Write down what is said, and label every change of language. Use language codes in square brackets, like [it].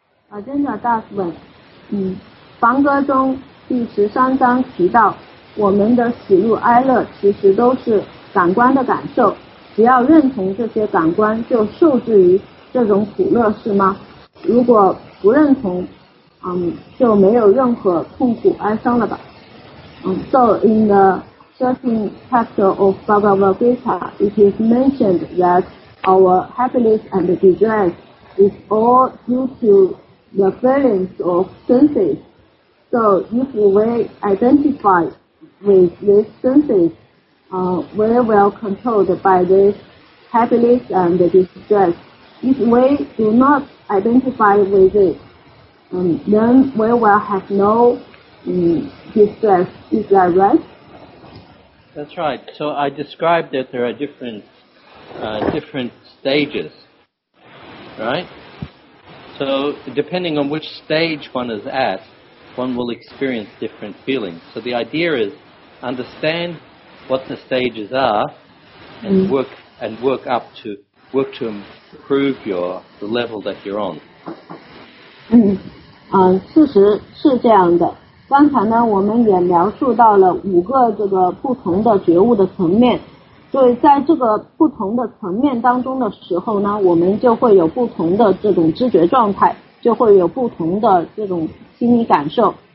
[zh] Ajinda Das 问，梵歌中第十三章提到，我们的喜怒哀乐其实都是感官的感受，只要认同这些感官，就受制于这种苦乐，是吗？如果不认同，就没有任何痛苦哀伤了吧？ [en] So in the certain chapter of Bhagavad Gita, it is mentioned that our happiness and distress is all due to the feelings of senses. So if we identify with these senses, we will be controlled by this happiness and distress. If we do not identify with it, then we will have no distress. Is that right? That's right. So I described that there are different stages, right? So depending on which stage one is at, one will experience different feelings. So the idea is understand what the stages are and work to improve the level that you're on. [zh] 事实是这样的。刚才呢，我们也描述到了五个这个不同的觉悟的层面，所以在这个不同的层面当中的时候呢，我们就会有不同的这种知觉状态，就会有不同的这种心理感受。